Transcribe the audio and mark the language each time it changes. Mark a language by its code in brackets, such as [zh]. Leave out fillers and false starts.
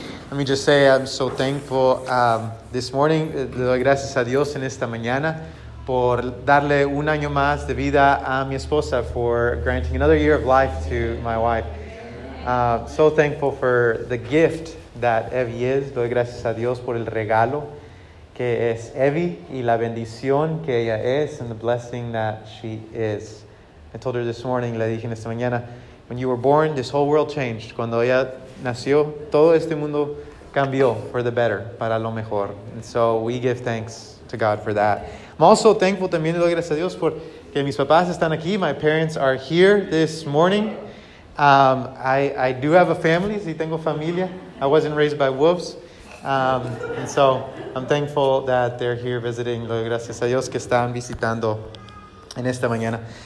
[en] Let me just say I'm so thankful this morning. [es] Le doy gracias a Dios en esta mañana por darle un año más de vida a mi esposa, [en] for granting another year of life to my wife. So thankful for the gift that Evie is. [es] Le doy gracias a Dios por el regalo que es Evie y la bendición que ella es, [en] and the blessing that she is. I told her this morning, [es] le dije en esta mañana, [en] when you were born, this whole world changed. [es] Cuando ella nació, todo este mundo cambió [en] for the better, [es] para lo mejor. [en] And so we give thanks to God for that. I'm also thankful, [es] también le doy gracias a Dios, por que mis papás están aquí. [en] My parents are here this morning. I do have a family, [es] sí tengo familia. [en] I wasn't raised by wolves. And so I'm thankful that they're here visiting. [es] Le doy gracias a Dios que están visitando en esta mañana.